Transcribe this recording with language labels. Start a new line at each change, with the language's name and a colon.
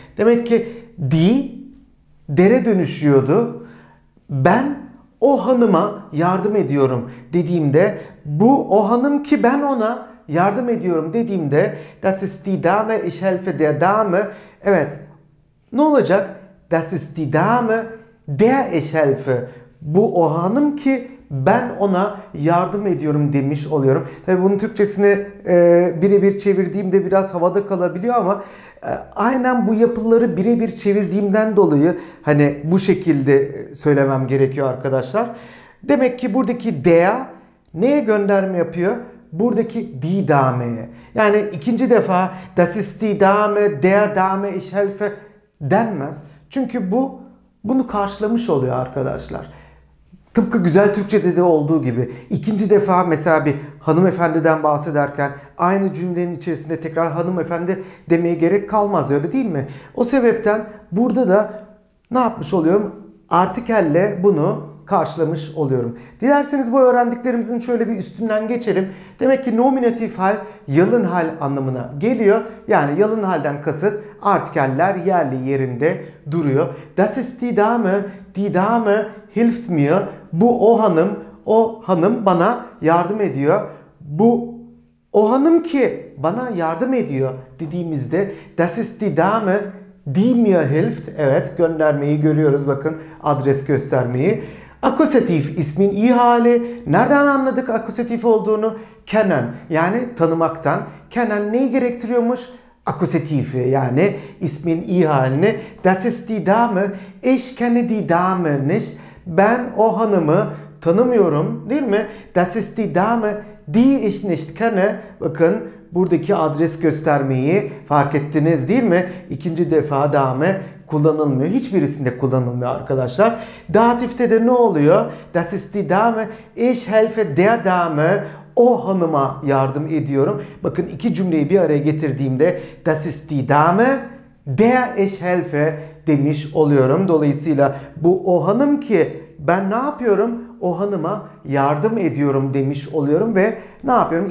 Turkish: Demek ki die dere dönüşüyordu. Ben o hanıma yardım ediyorum dediğimde bu o hanım ki ben ona yardım ediyorum dediğimde
German: das ist die Dame, ich helfe der Dame.
Turkish: Evet, ne olacak?
German: Das ist die Dame, der ich helfe.
Turkish: Bu o hanım ki ben ona yardım ediyorum demiş oluyorum. Tabii bunun Türkçesini birebir çevirdiğimde biraz havada kalabiliyor ama aynen bu yapıları birebir çevirdiğimden dolayı hani bu şekilde söylemem gerekiyor arkadaşlar. Demek ki buradaki der neye gönderme yapıyor? Buradaki die Dame'ye. Yani ikinci defa
German: das ist die Dame, der Dame ich helfe
Turkish: denmez. Çünkü bunu karşılamış oluyor arkadaşlar. Tıpkı güzel Türkçe'de de olduğu gibi. İkinci defa mesela bir hanımefendiden bahsederken aynı cümlenin içerisinde tekrar hanımefendi demeye gerek kalmaz öyle değil mi? O sebepten burada da ne yapmış oluyorum? Artikelle bunu karşılamış oluyorum. Dilerseniz bu öğrendiklerimizin şöyle bir üstünden geçelim. Demek ki nominatif hal yalın hal anlamına geliyor. Yani yalın halden kasıt artikeller yerli yerinde duruyor.
German: Das ist die Dame, die Dame hilft mir.
Turkish: Bu o hanım, o hanım bana yardım ediyor. Bu o hanım ki bana yardım ediyor dediğimizde
German: das ist die Dame, die mir hilft.
Turkish: Evet, göndermeyi görüyoruz. Bakın adres göstermeyi. Akusatif ismin iyi hali. Nereden anladık akusatif olduğunu? Kennen, yani tanımaktan. Kennen neyi gerektiriyormuş? Akusatifi, yani ismin iyi halini.
German: Das ist die Dame, ich kenne die Dame nicht.
Turkish: Ben o hanımı tanımıyorum değil mi?
German: Das ist die Dame, die ich nicht kenne.
Turkish: Bakın buradaki adres göstermeyi fark ettiniz değil mi? İkinci defa Dame kullanılmıyor. Hiçbirisinde kullanılmıyor arkadaşlar. Datif'te de ne oluyor?
German: Das ist die Dame. Ich helfe der Dame.
Turkish: o hanıma yardım ediyorum. Bakın iki cümleyi bir araya getirdiğimde
German: das ist die Dame, der ich helfe
Turkish: demiş oluyorum. Dolayısıyla bu o hanım ki ben ne yapıyorum? O hanıma yardım ediyorum demiş oluyorum ve ne yapıyorum?